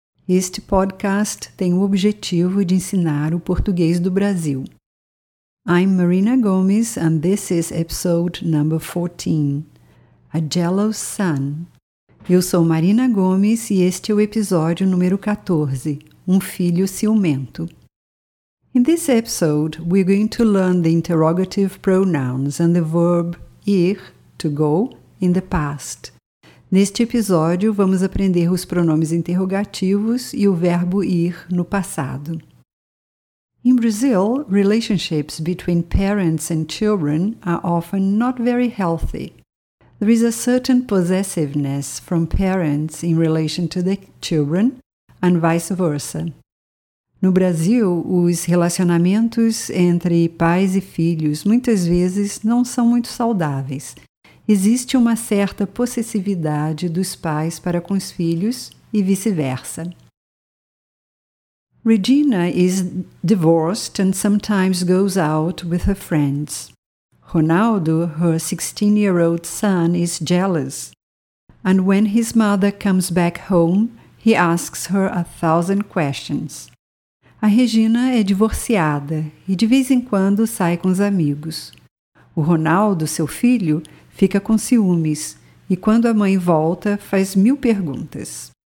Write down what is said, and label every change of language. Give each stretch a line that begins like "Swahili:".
Portuguese: Este podcast tem o objetivo de ensinar o português do Brasil.
English: I'm Marina Gomes and this is episode number 14, A Jealous Son.
Portuguese: Eu sou Marina Gomes e este é o episódio número 14, Um Filho Ciumento.
English: In this episode, we're going to learn the interrogative pronouns and the verb ir, to go, in the past.
Portuguese: Neste episódio, vamos aprender os pronomes interrogativos e o verbo ir no passado.
English: In Brazil, relationships between parents and children are often not very healthy. There is a certain possessiveness from parents in relation to the children, and vice versa.
Portuguese: No Brasil, os relacionamentos entre pais e filhos muitas vezes não são muito saudáveis. Existe uma certa possessividade dos pais para com os filhos e vice-versa.
English: Regina is divorced and sometimes goes out with her friends. Ronaldo, her 16-year-old son, is jealous. And when his mother comes back home, he asks her 1,000 questions.
Portuguese: A Regina é divorciada e de vez em quando sai com os amigos. O Ronaldo, seu filho, fica com ciúmes e quando a mãe volta faz 1,000 perguntas.